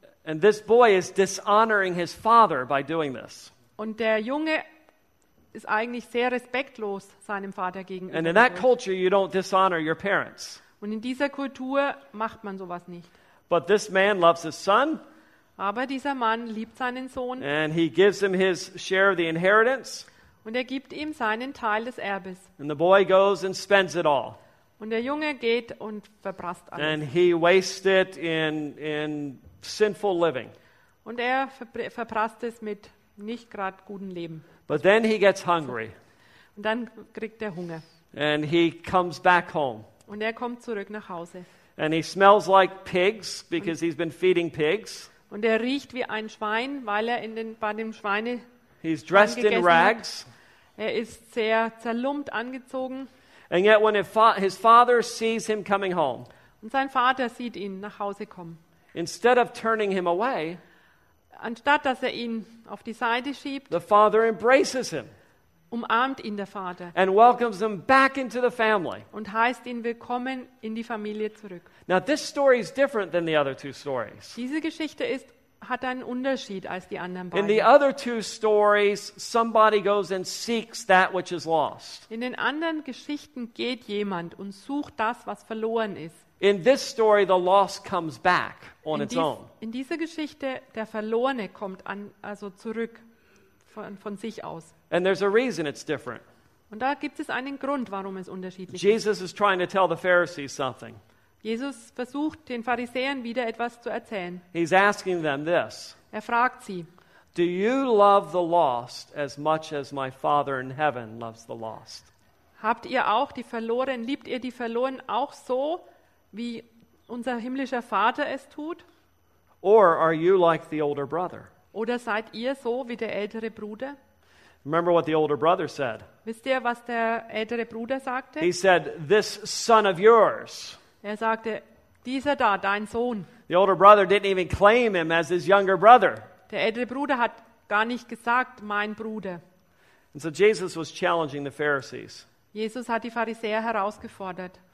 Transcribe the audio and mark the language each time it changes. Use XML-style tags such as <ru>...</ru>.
<en>And this boy is dishonoring his father by doing this.</en> <de>Und der Junge ist eigentlich sehr respektlos seinem Vater gegenüber.</de> <en>And in that culture, you don't dishonor your parents.</en> <de>Und in dieser Kultur macht man sowas nicht.</de> <en>But this man loves his son.</en> <de>Aber dieser Mann liebt seinen Sohn.</de> <en>And he gives him his share of the inheritance.</en> <de>Und er gibt ihm seinen Teil des Erbes.</de> <en>And the boy goes and spends it all.</en> <de>Und der Junge geht und verprasst alles.</de> <en>And he wastes it in sinful living.</en> <de>Und er verprasst es mit nicht gerade gutem Leben.</de> <en>But then he gets hungry.</en> <de>Und dann kriegt er Hunger.</de> <en>And he comes back home.</en> <de>Und er kommt zurück nach Hause.</de> <en>And he smells like pigs because he's been feeding pigs.</en> <de>Und er riecht wie ein Schwein, weil er bei dem Schweine.</de> <en>He's dressed in rags.</en> <de>Er ist sehr zerlumpt angezogen.</de> <en>And yet when his father sees him coming home.</en> <de>Und sein Vater sieht ihn nach Hause kommen.</de> <en>Instead of turning him away.</en> <de>Anstatt dass er ihn auf die Seite schiebt.</de> <en>The father embraces him.</en> <de>Umarmt ihn der Vater.</de> <en>And welcomes him back into the family.</en> <de>Und heißt ihn willkommen in die Familie zurück.</de> <en>Now this story is different than the other two stories.</en> <de>Diese Geschichte hat einen Unterschied als die anderen beiden.</de> <en>In the other two stories, somebody goes and seeks that which is lost.</en> <de>In den anderen Geschichten geht jemand und sucht das, was verloren ist.</de> <en>In this story, the lost comes back on its own.</en> <de>In dieser Geschichte der Verlorene kommt also zurück von sich aus.</de> <en>And there's a reason it's different.</en> <de>Und da gibt es einen Grund, warum es unterschiedlich ist.</de> <en>Jesus is trying to tell the Pharisees something.</en> <de>Jesus versucht, den Pharisäern wieder etwas zu erzählen.</de> <en>He's asking them this.</en> <de>Er fragt sie.</de> <en>Do you love the lost as much as my Father in heaven loves the lost?</en> <de>Habt ihr auch die Verlorenen, liebt ihr die Verlorenen auch so, wie unser himmlischer Vater es tut?</de> <en>Or are you like the older brother?</en> <de>Oder seid ihr so wie der ältere Bruder?</de> <en>Remember what the older brother said.</en> <de>Wisst ihr, was der ältere Bruder sagte?</de> <en>He said, this son of yours.</en> <de>Er sagte, dieser da, dein Sohn.</de> <en>The older brother didn't even claim him as his younger brother.</en> <de>Der ältere Bruder hat gar nicht gesagt, mein Bruder.</de> <en>And so Jesus was challenging the Pharisees.</en> <de>Jesus hat die Pharisäer herausgefordert.</de>